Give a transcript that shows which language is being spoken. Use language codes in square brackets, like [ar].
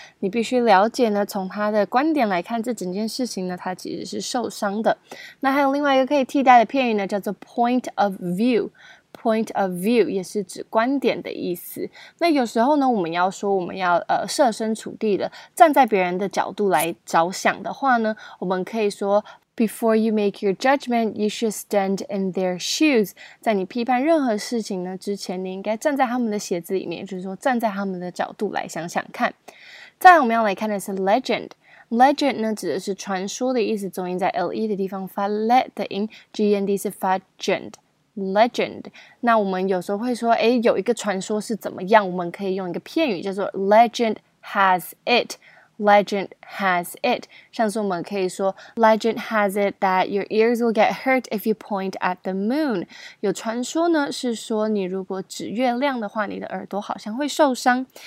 [zh] 你必须了解呢，从他的观点来看，这整件事情呢，他其实是受伤的。那还有另外一个可以替代的片语呢，叫做 [en] point of view。 Point of view [zh] 也是指观点的意思。那有时候呢，我们要说我们要设身处地的站在别人的角度来着想的话呢，我们可以说。 [en] Before you make your judgment, you should stand in their shoes. [zh] 在你批判任何事情呢之前，你应该站在他们的鞋子里面，就是说站在他们的角度来想想看。再来我们要来看的是 legend。Legend 呢指的是传说的意思，重音在 le 的地方发 le 的音 ，gnd 是发 gend。 Legend， 那我们有时候会说，哎，有一个传说是怎么样？我们可以用一个片语叫做 [en] legend has it。 Legend has it. [zh] 像是我们可以说 [en] Legend has it that your ears will get hurt if you point at the moon. [zh] 有传说呢是说你如果指月亮的话你的耳朵好像会受伤。